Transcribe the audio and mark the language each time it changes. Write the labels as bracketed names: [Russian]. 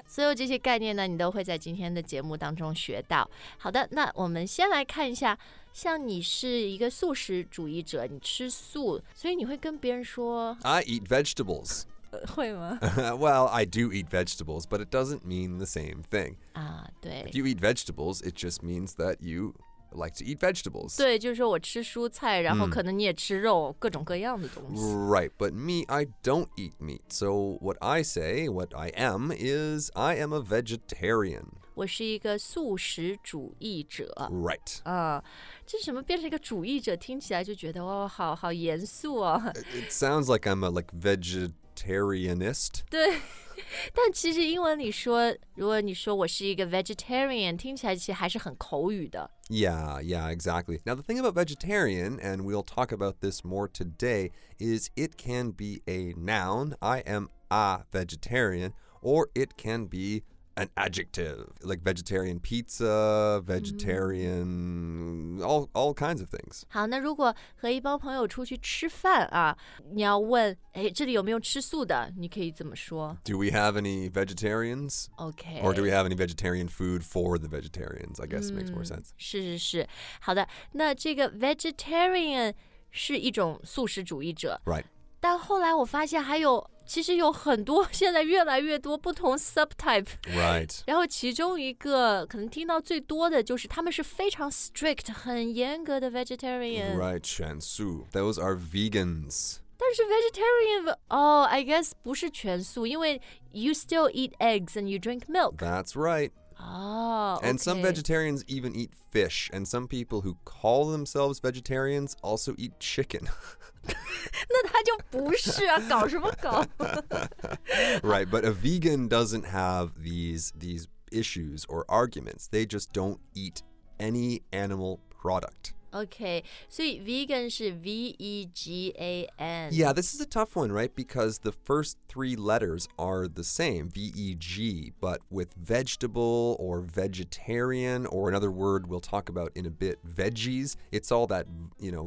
[Chinese] 所有这些概念呢，你都会在今天的节目当中学到。好的，那我们先来看一下，像你是一个素食主义者，你吃素，所以你会跟别人说 [English] ，I eat vegetables。 [Chinese] 会吗 [English] ？Well, I do eat vegetables, but it doesn't mean the same thing. [Chinese] 啊，对。 [English] If you eat vegetables, it just means that you like to eat vegetables. [Chinese] 对，就是说我吃蔬菜，然后可能你也吃肉，各种各样的东西。 [English] Right, but me, I don't eat meat. So what I say, what I am, is I am a vegetarian. [Chinese] 我是一个素食主义者。 [English] Right. [Chinese] 这什么变成一个主义者，听起来就觉得哦，好好严肃哦。 [English] It sounds like I'm a like vegetarianist. [Chinese] 对。但其实英文里说，如果你说我是一个 vegetarian， 听起来其实还是很口语的。 [English] Yeah, yeah, exactly. Now the thing about vegetarian, and we'll talk about this more today, is it can be a noun, I am a vegetarian, or it can be an adjective, like vegetarian pizza, vegetarian,all kinds of things. [Chinese] 好，那如果和一帮朋友出去吃饭啊，你要问，哎，这里有没有吃素的？你可以怎么说？ [English] Do we have any vegetarians? Okay. Or do we have any vegetarian food for the vegetarians? I guess makes more sense. [Chinese] 是是是，好的，那这个 vegetarian 是一种素食主义者。 [English] Right. [Chinese] 但后来我发现还有其实有很多现在越来越多不同 subtype、 [English] right. [Chinese] 然后其中一个可能听到最多的就是他们是非常 strict 很严格的 vegetarian [English] right [Chinese] 全素 [English] those are vegans [Chinese] 但是 [English] vegetarian I guess [Chinese] 不是全素因为 [English] you still eat eggs and you drink milk that's right、 okay. and some vegetarians even eat fish and some people who call themselves vegetarians also eat chicken [Chinese] 那他就不是啊，搞什么搞 [English] ？Right, but a vegan doesn't have these issues or arguments. They just don't eat any animal product. Okay, so vegan is V-E-G-A-N. Yeah, this is a tough one, right? Because the first three letters are the same, V-E-G, but with vegetable or vegetarian or another word we'll talk about in a bit, veggies, it's all that, you know,